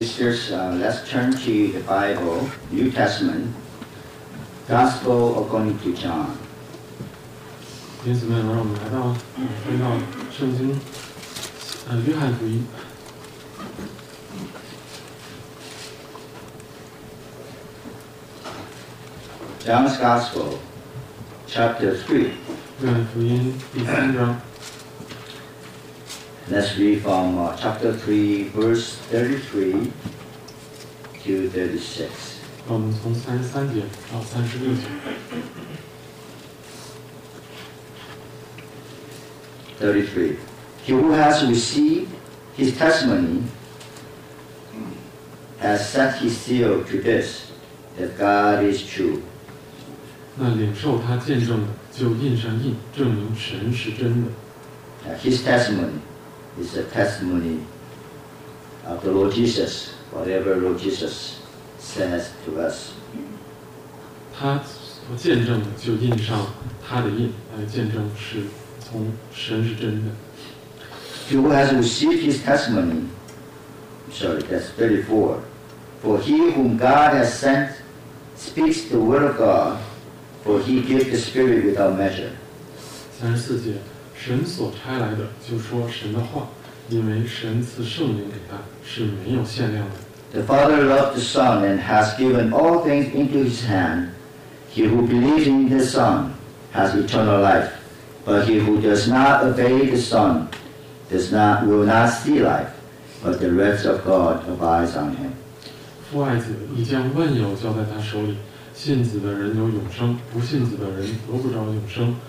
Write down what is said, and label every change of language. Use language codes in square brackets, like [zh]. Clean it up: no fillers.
[en] Sisters, let's turn to the Bible, New Testament, Gospel according to John. [zh] 弟兄们，让我们来到回到圣经，约翰福音。 [en] John's Gospel, Chapter 3. [zh] 约翰福音第三章。 [en] Let's read from chapter 3, verse 33 to 36. [zh] 我们从33节到36节。 [en] 33. He who has received his testimony has set his seal to this, that God is true. [zh] 那领受他见证的就印上印，证明神是真的。 [en] His testimony. It's a testimony of the Lord Jesus, whatever Lord Jesus says to us. [zh] 他所见证的就印上他的印，来见证是从神是真的。 [en] He who has received his testimony, that's 34. For he whom God has sent speaks the word of God, for he gives the Spirit without measure. [zh] 34节，神所差来的就说神的话。因为神赐圣灵给他是没有限量的。 [en] The Father loved the Son and has given all things into His hand. He who believes in the Son has eternal life, but he who does not obey the Son will not see life, but the wrath of God abides on him. [zh] 父爱子已将万有交在他手里，信子的人有永生，不信子的人得不着永生。